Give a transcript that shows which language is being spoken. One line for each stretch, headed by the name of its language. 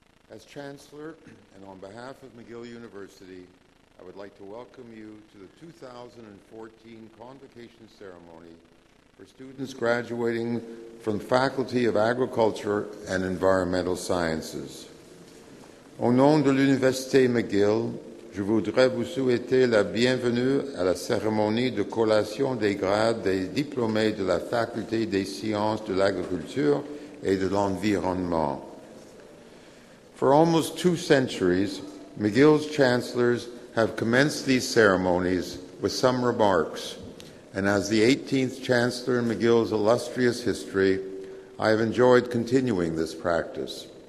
English: As Chancellor and on behalf of McGill University, I would like to welcome you to the 2014 convocation ceremony for students graduating from the Faculty of Agriculture and Environmental Sciences.
French: Au nom de l'Université McGill, je voudrais vous souhaiter la bienvenue à la cérémonie de collation des grades des diplômés de la Faculté des sciences de l'agriculture et de l'environnement.
English: For almost two centuries, McGill's chancellors have commenced these ceremonies with some remarks, and as the 18th chancellor in McGill's illustrious history, I have enjoyed continuing this practice.